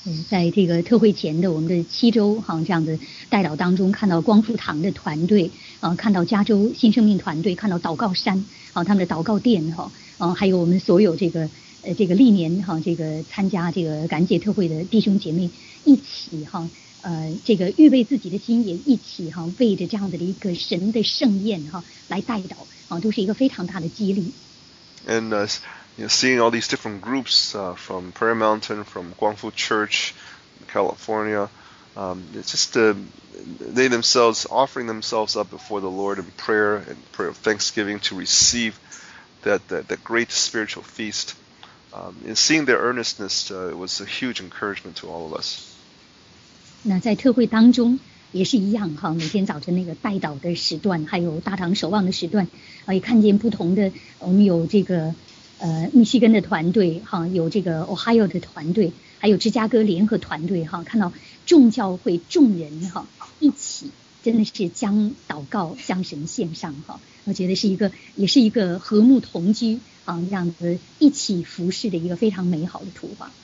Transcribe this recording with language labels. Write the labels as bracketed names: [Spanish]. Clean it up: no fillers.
[Chinese] 在这个特会前的我们的七州哈这样的代祷当中，看到光复堂的团队，看到加州新生命团队，看到祷告山，他们的祷告殿哈，还有我们所有这个历年哈这个参加这个感恩节特会的弟兄姐妹一起哈。这个预备自己的心也一起哈，为着这样的一个神的盛宴哈来代祷啊，都是一个非常大的激励。 [English] And you know, seeing all these different groups from Prayer Mountain, from Guangfu Church, California, it's just they themselves offering themselves up before the Lord in prayer and prayer of thanksgiving to receive that great spiritual feast. And seeing their earnestness was a huge encouragement to all of us. [Chinese] 那在特会当中也是一样哈，每天早晨那个代祷的时段，还有大堂守望的时段，也看见不同的，我们有这个密西根的团队哈，有这个 Ohio 的团队，还有芝加哥联合团队哈，看到众教会众人哈一起，真的是将祷告向神献上哈，我觉得是一个也是一个和睦同居啊，这样子一起服侍的一个非常美好的图画。